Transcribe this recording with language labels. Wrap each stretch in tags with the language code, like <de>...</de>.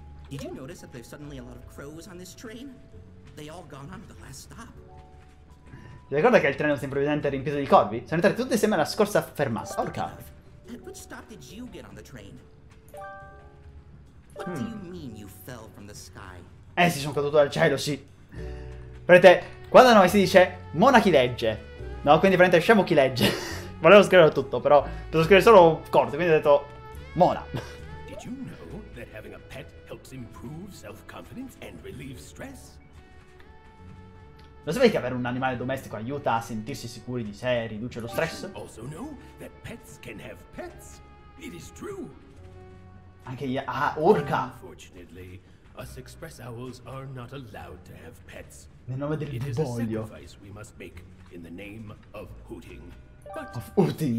<en>Did you notice that there's suddenly a lot of crows on this train? They all gone on at the last stop.</en> <it>Ti ricordo che il treno si improvvisamente riempito di corvi? Sono entrati tutti insieme alla scorsa fermata. Orca.</it> <en>At what stop did you get on the train? What do you mean you fell from the sky?</en> <it>Sì, sono caduto dal cielo, sì. Prete, qua da noi si dice mona chi legge. No, quindi prete, scemo chi legge. Volevo scrivere tutto, però devo scrivere solo corto, quindi ho detto mona.</it> <en>Did you know that having a pet helps improve self-confidence and relieve stress?</en> <it>Lo sapevi che avere un animale domestico aiuta a sentirsi sicuri di sé e riduce lo stress?</it> <en>You also know that pets can have pets. It is true.</en> <it>Anche gli... Ah, orca!</it> <en>Unfortunately, us express owls are not allowed to have pets.</en> <it>Nel nome del</it> <en>It diboglio. It is a sacrifice we must make in the name of Hooting. But of Hooting.</en>